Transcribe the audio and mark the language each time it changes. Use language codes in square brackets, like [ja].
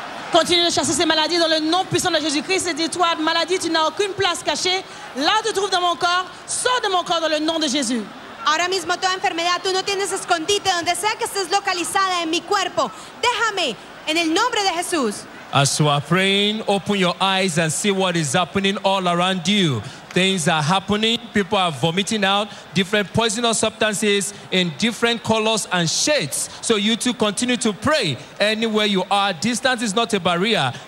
[fr] Continue de chasser ces maladies dans le nom puissant de Jésus-Christ. Et dis-toi, maladie, tu n'as aucune place cachée. Là où tu trouves dans mon corps, sors de mon corps dans le nom de Jésus. [es] Ahora mismo toda enfermedad, tú no tienes escondite donde sea que estés localizada en mi cuerpo. Déjame en el nombre de Jesús. [en] As you are praying, open your eyes and see what is happening all around you. Things are happening. People are vomiting out different poisonous substances in different colors and shades. So you too continue to pray anywhere you are. Distance is not a barrier.